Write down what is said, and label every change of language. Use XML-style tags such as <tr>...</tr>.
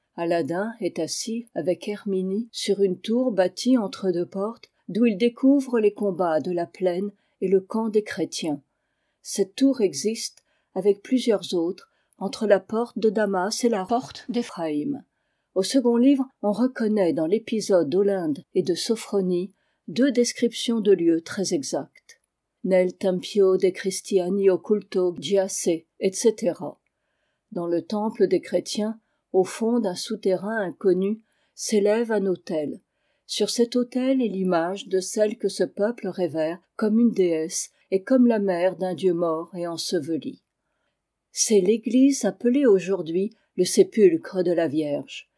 <fr>Aladin est assis avec Herminie sur une tour bâtie entre deux portes d'où il découvre les combats de la plaine et le camp des chrétiens. Cette tour existe avec plusieurs autres entre la porte de Damas et la porte d'Éphraïm. Au second livre, on reconnaît dans l'épisode d'Olinde et de Sophronie deux descriptions de lieux très exactes.</fr> <it>Nel tempio de Christiani occulto giace, etc.</it> <fr>Dans le temple des chrétiens, au fond d'un souterrain inconnu, s'élève un autel. Sur cet autel est l'image de celle que ce peuple révère comme une déesse et comme la mère d'un dieu mort et enseveli. C'est l'église appelée aujourd'hui le sépulcre de la Vierge.</fr>